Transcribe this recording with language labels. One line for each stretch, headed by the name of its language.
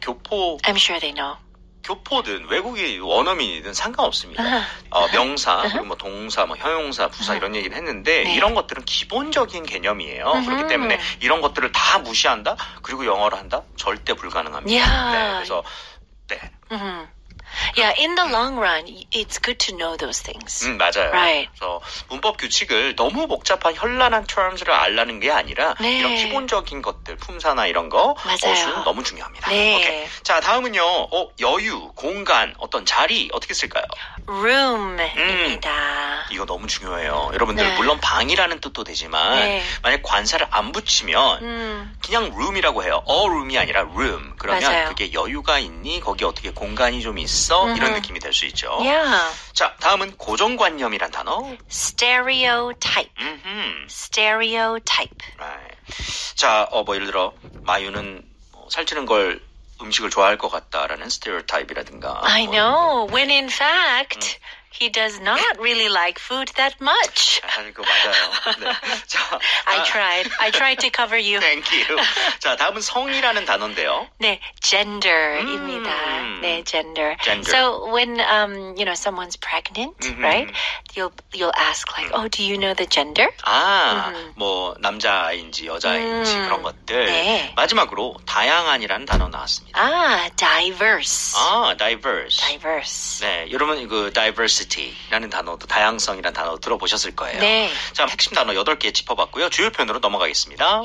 Korean: 교포.
English: I'm sure they know.
Korean: 교포든 외국인 원어민이든 상관없습니다. 명사, 그리고 뭐 동사, 뭐 형용사, 부사 이런 얘기를 했는데 이런 것들은 기본적인 개념이에요. 그렇기 때문에 이런 것들을 다 무시한다? 그리고 영어를 한다? 절대 불가능합니다.
English: Yeah.
Korean: 네, 그래서 네.
English: Yeah, in the long run, it's good to know those things.
Korean: 맞아요.
English: Right.
Korean: 그래서 문법 규칙을 너무 복잡한 현란한 terms를 알라는 게 아니라 이런 기본적인 것들, 품사나 이런 거 어순 너무 중요합니다. 네. 오케이. 자, 다음은요. 여유, 공간, 어떤 자리 어떻게 쓸까요? Room입니다. 이거 너무 중요해요. 여러분들 물론 방이라는 뜻도 되지만 만약 관사를 안 붙이면 그냥 room이라고 해요. A room이 아니라 room. 그러면 그게 여유가 있니? 거기 어떻게 공간이 좀 있어? 이런 느낌이 될 수 있죠.
English: Yeah.
Korean: 자, 다음은 고정관념이란 단어.
English: Stereotype. Stereotype. Right.
Korean: 자, 뭐 예를 들어 마유는 살찌는 걸 음식을 좋아할 것 같다라는 스테레오타입이라든가.
English: I know. When in fact he does not really like food that much.
Korean: 그거 맞아요. 네.
English: 자, I tried to cover you. Thank you.
Korean: 자, 다음은 성이라는 단어인데요. 네, gender입니다. 네,
English: gender. So when you know someone's pregnant, right? You'll ask like, "Oh, do you know the gender?"
Korean: 아, 뭐 남자인지 여자인지 그런 것들. 네. 마지막으로 다양한이라는 단어 나왔습니다.
English: 아, diverse. 아, diverse. Diverse.
Korean: 네, 여러분 그 diverse 라는 단어도 다양성이라는 단어도 들어보셨을 거예요. 네. 자, 핵심 단어 8개 짚어봤고요. 주요 표현으로 넘어가겠습니다.